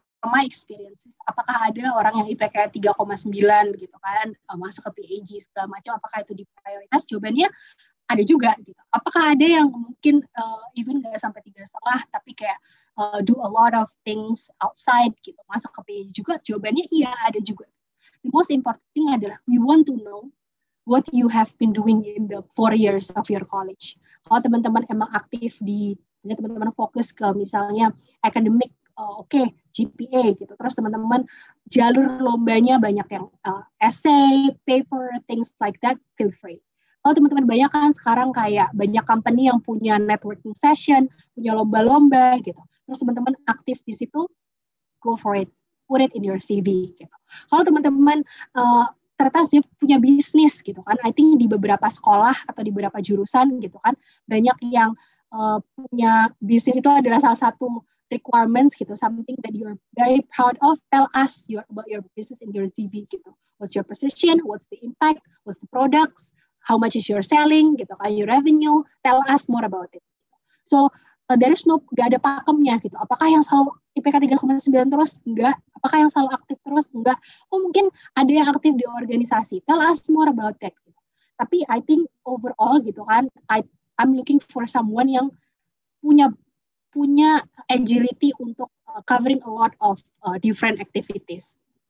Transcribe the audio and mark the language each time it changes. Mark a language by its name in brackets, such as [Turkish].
[English] From my experiences, [Indonesian] apakah ada orang yang IPK 3,9 gitu kan, masuk ke PAG segala macam, apakah itu diprioritas? Jawabannya ada juga gitu. Apakah ada yang mungkin even gak sampai 3,5 tapi kayak [English] do a lot of things outside [Indonesian] gitu, masuk ke PAG juga? Jawabannya iya, ada juga. [English] The most important thing [Indonesian] adalah [English] we want to know what you have been doing in the 4 years of your college. [Indonesian] Kalau teman-teman emang aktif di, misalnya teman-teman fokus ke misalnya academic, okay, GPA gitu. Terus teman-teman jalur lombanya banyak yang essay, paper, [English] things like that, feel free. [Indonesian] Kalau teman-teman banyak kan sekarang kayak banyak company yang punya networking session, punya lomba-lomba gitu. Terus teman-teman aktif di situ, [English] go for it. Put it in your CV [Indonesian] gitu. Kalau teman-teman ternyata sih punya bisnis gitu kan. [English] I think [Indonesian] di beberapa sekolah atau di beberapa jurusan gitu kan, banyak yang punya bisnis itu adalah salah satu requirements gitu, [English] something that you're very proud of, tell us your about your business in your CV [Indonesian] gitu. [English] What's your position, what's the impact, what's the products, how much is your selling [Indonesian] gitu, [English] are your revenue, tell us more about it. So there is no, [Indonesian] gak ada pakemnya gitu. Apakah yang selalu IPK 3,9 terus? Enggak. Apakah yang selalu aktif terus? Enggak. Oh mungkin ada yang aktif di organisasi, [English] tell us more about that [Indonesian] gitu. Tapi [English] I think overall [Indonesian] gitu kan, [English] I'm looking for someone [Indonesian] yang punya [English] agility [Indonesian] untuk [English] covering a lot of different activities.